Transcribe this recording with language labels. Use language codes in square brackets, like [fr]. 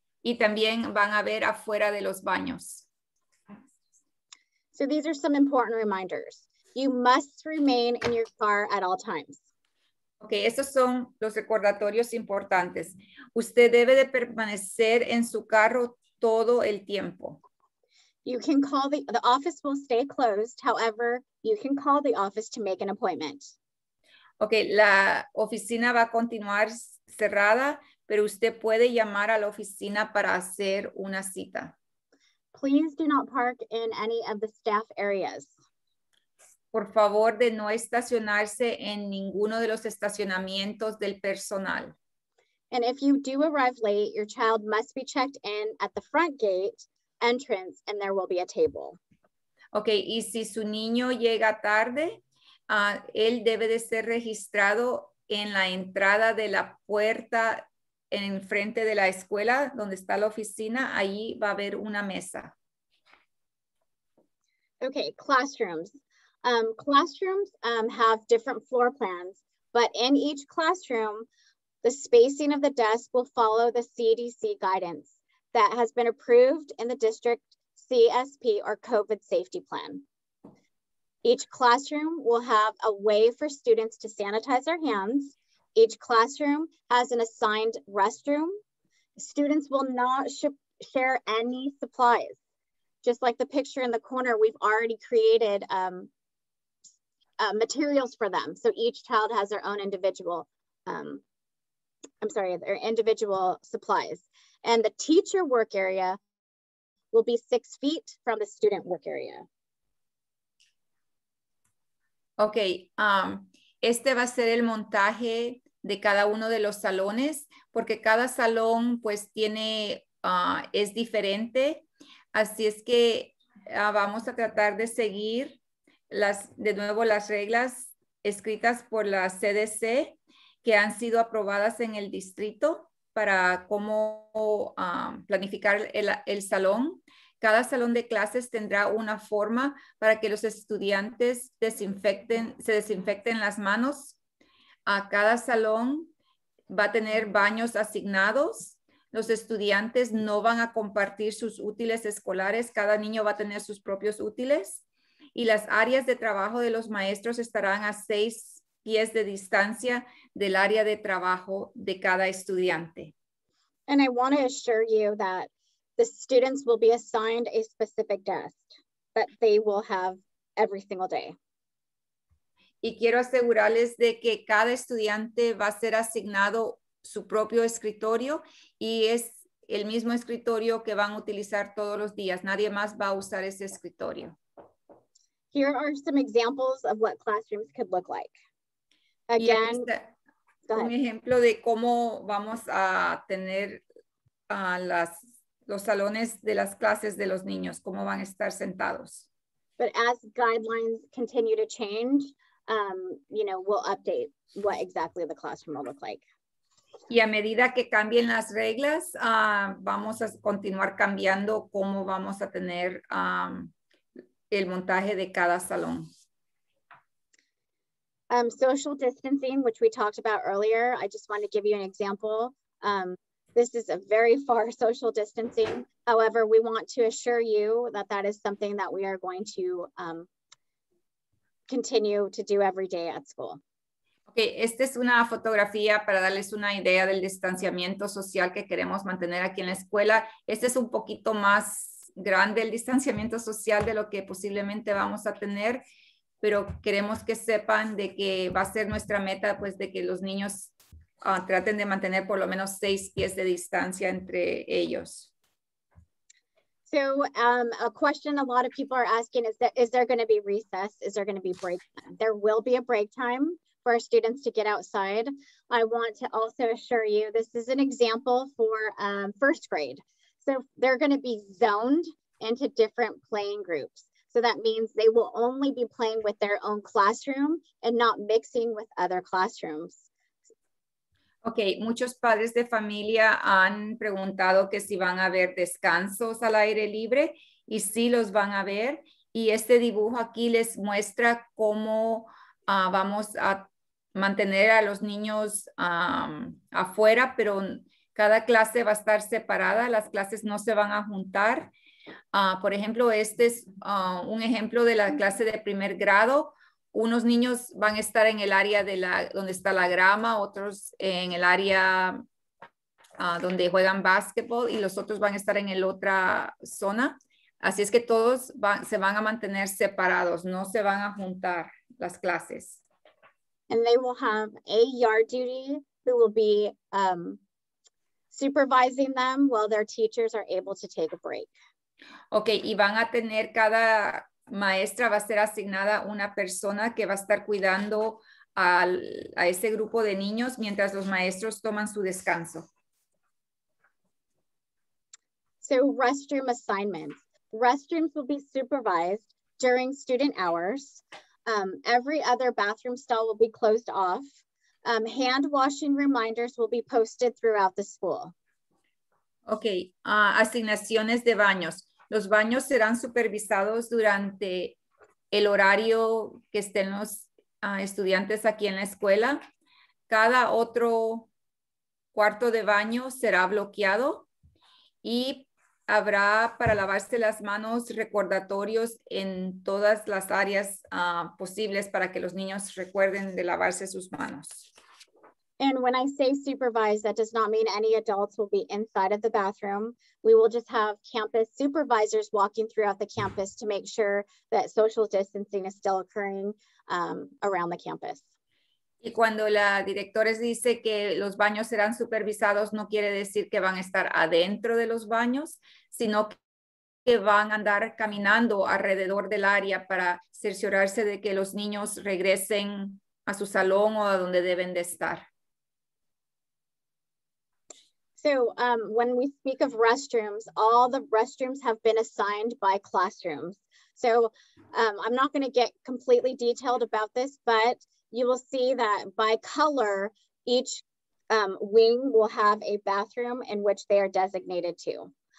[es] Y también van a ver afuera de los baños. [en] So these are some important reminders. You must remain in your car at all times. [es] Okay, estos son los recordatorios importantes. Usted debe de permanecer en su carro todo el tiempo. [en] You can call the office will stay closed. However, you can call the office to make an appointment. [es] Okay, la oficina va a continuar cerrada, pero usted puede llamar a la oficina para hacer una cita. [en] Please do not park in any of the staff areas. [es] Por favor, de no estacionarse en ninguno de los estacionamientos del personal. [en] And if you do arrive late, your child must be checked in at the front gate entrance and there will be a table. [es] Okay, y si su niño llega tarde, él debe de ser registrado en la entrada de la puerta en frente de la escuela donde está la oficina, ahí va a haber una mesa. [en] Okay, classrooms. Classrooms have different floor plans, but in each classroom, the spacing of the desk will follow the CDC guidance that has been approved in the district CSP or COVID safety plan. Each classroom will have a way for students to sanitize their hands. Each classroom has an assigned restroom. Students will not share any supplies. Just like the picture in the corner, we've already created materials for them. So each child has their own individual, their individual supplies. And the teacher work area will be 6 feet from the student work area. [es] Okay, este va a ser el montaje de cada uno de los salones, porque cada salón pues tiene, es diferente. Así es que vamos a tratar de seguir las reglas escritas por la CDC que han sido aprobadas en el distrito para cómo planificar el salón. Cada salón de clases tendrá una forma para que los estudiantes se desinfecten las manos. A cada salón va a tener baños asignados. Los estudiantes no van a compartir sus útiles escolares. Cada niño va a tener sus propios útiles. Y las áreas de trabajo de los maestros estarán a 6 pies de distancia del área de trabajo de cada estudiante. [en] And I want to assure you that the students will be assigned a specific desk that they will have every single day. [es] Y quiero asegurarles de que cada estudiante va a ser asignado su propio escritorio y es el mismo escritorio que van a utilizar todos los días. Nadie más va a usar ese escritorio. [en] Here are some examples of what classrooms could look like. Again, [es] un ejemplo de cómo vamos a tener los salones de las clases de los niños, cómo van a estar sentados. [en] But as guidelines continue to change, we'll update what exactly the classroom will look like. [es] Y a medida que cambien las reglas, vamos a continuar cambiando cómo vamos a tener el montaje de cada salón. [en] Social distancing, which we talked about earlier, I just want to give you an example. This is a very far social distancing. However, we want to assure you that that is something that we are going to continue to do every day at school. [es] Okay, esta es una fotografía para darles una idea del distanciamiento social que queremos mantener aquí en la escuela. Este es un poquito más grande el distanciamiento social de lo que posiblemente vamos a tener, pero queremos que sepan de que va a ser nuestra meta, pues, de que los niños traten de mantener por lo menos 6 pies de distancia entre ellos. [en] So, a question a lot of people are asking is there going to be recess? Is there going to be break time? There will be a break time for our students to get outside. I want to also assure you, this is an example for first grade. So they're going to be zoned into different playing groups. So that means they will only be playing with their own classroom and not mixing with other classrooms. [es] Okay, muchos padres de familia han preguntado que si van a haber descansos al aire libre y sí los van a ver. Y este dibujo aquí les muestra cómo vamos a mantener a los niños afuera, pero cada clase va a estar separada. Las clases no se van a juntar. Por ejemplo, este es un ejemplo de la clase de primer grado. Unos niños van a estar en el área de donde está la grama, otros en el área donde juegan básquetbol y los otros van a estar en la otra zona. Así es que todos se van a mantener separados, no se van a juntar las clases. [en] And they will have a yard duty who will be supervising them while their teachers are able to take a break. [es] Okay, y van a tener cada maestra va a ser asignada una persona que va a estar cuidando a ese grupo de niños mientras los maestros toman su descanso. [en] So restroom assignments. Restrooms will be supervised during student hours. Every other bathroom stall will be closed off. Hand washing reminders will be posted throughout the school. [es] Okay, asignaciones de baños. Los baños serán supervisados durante el horario que estén los estudiantes aquí en la escuela. Cada otro cuarto de baño será bloqueado y habrá para lavarse las manos recordatorios en todas las áreas posibles para que los niños recuerden de lavarse sus manos. [en] And when I say supervised, that does not mean any adults will be inside of the bathroom. We will just have campus supervisors walking throughout the campus to make sure that social distancing is still occurring around the campus. [es] Y cuando la directora dice que los baños serán supervisados, no quiere decir que van a estar adentro de los baños, sino que van a andar caminando alrededor del área para cerciorarse de que los niños regresen a su salón o a donde deben de estar. [en] So when we speak of restrooms, all the restrooms have been assigned by classrooms. So I'm not going to get completely detailed about this, but you will see that by color, each wing will have a bathroom in which they are designated to.